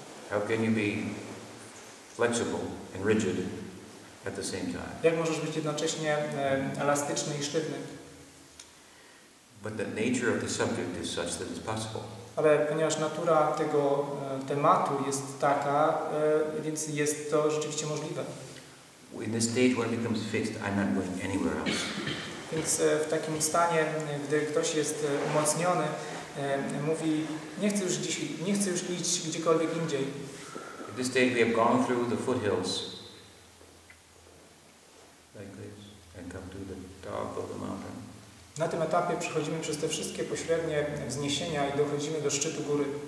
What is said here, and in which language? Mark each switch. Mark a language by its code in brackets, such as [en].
[en] How can you be flexible and rigid at the same time? [pl] Jak możesz być jednocześnie elastyczny i sztywny? [en] But the nature of the subject is such that it's possible. [pl] Ale ponieważ natura tego tematu jest taka, więc jest to rzeczywiście możliwe. [en] In the state when it becomes fixed, I'm not going anywhere else. [pl] Więc w takim stanie, gdy ktoś jest umocniony, mówi, nie chcę już iść gdziekolwiek indziej. [en] In this state we have gone through the foothills, like this, and come to the top of the mountain. [pl] Na tym etapie przechodzimy przez te wszystkie pośrednie wzniesienia i dochodzimy do szczytu góry.